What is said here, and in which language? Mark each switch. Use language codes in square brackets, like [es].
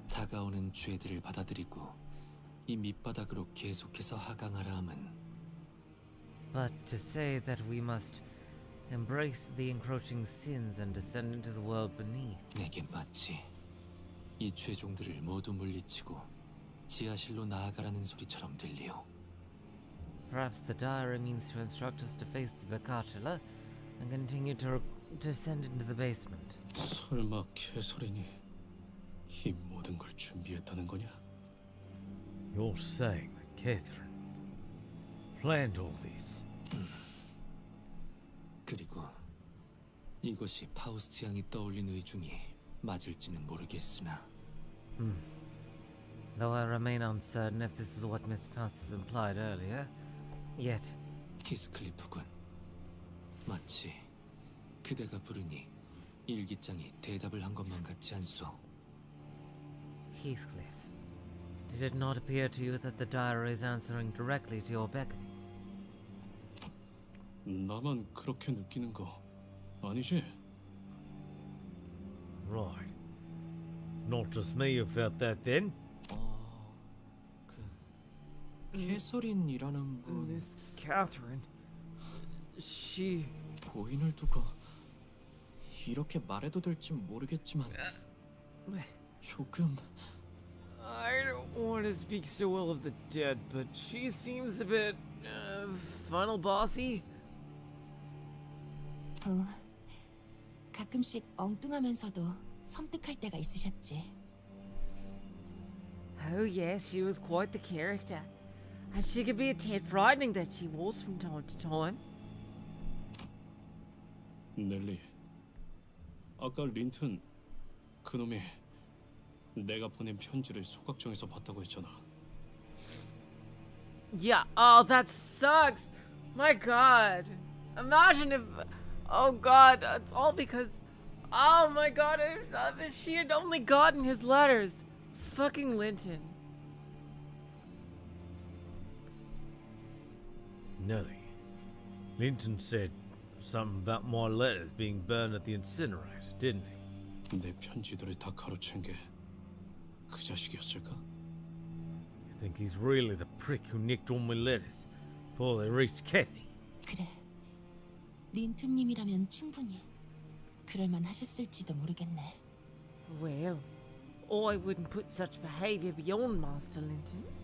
[ko] 다가오는 죄들을 받아들이고 이 밑바닥으로 계속해서 하강하라 함은. [en] But to say that we must embrace the encroaching sins and descend into the world beneath. [ko] 내겐 마치 이 죄종들을 모두 물리치고 지하실로 나아가라는 소리처럼 들리오. [en] Perhaps the diary means to instruct us to face the Bacchatula and continue to descend into the basement. [ko] 설마 캐서린이 이 모든 걸 준비했다는 거냐? [en] You're saying that Catherine planned all this. [ko] 그리고 이것이 파우스트 향이 떠올린 의중이 맞을지는 모르겠으나. [en] Though I remain uncertain if this is what Miss Faustus implied earlier, yet. [ko] 히스클리프군, 마치 그대가 부르니 일기장이 대답을 한 것만 같지 않소. [en] Heathcliff, did it not appear to you that the diary is answering directly to your beckoning? [ko] 나만 그렇게 느끼는 거 아니지? [en] Right. Not just me who felt that then. [ko] 캐서린이라는 분. [en] This Catherine. She. [ko] 고인을 두고 이렇게 말해도 될지 모르겠지만 조금. [en] I don't want to speak so well of the dead, but she seems a bit final bossy. [ko] 가끔씩 엉뚱하면서도 섬뜩할 때가 있으셨지. [en] Oh yes, she was quite the character. And she could be a tad frightening that she was from time to time. [ko] Nelly, 아까 린튼 그놈이 내가 보낸 편지를 소각청에서 봤다고 했잖아. [en] Yeah, oh that sucks. My god. Imagine if... Oh god, it's all because... Oh my god, if she had only gotten his letters. Fucking Linton. Nelly, Linton said something about my letters being burned at the incinerator, didn't he? [ko] 내 편지들을 다 가로챈 게 그 자식이었을까? [en] You think he's really the prick who nicked all my letters before they reached Cathy? [ko] 그래. 린튼님이라면 충분히 그럴만하셨을지도 모르겠네. [en] Well, I wouldn't put such behavior beyond Master Linton.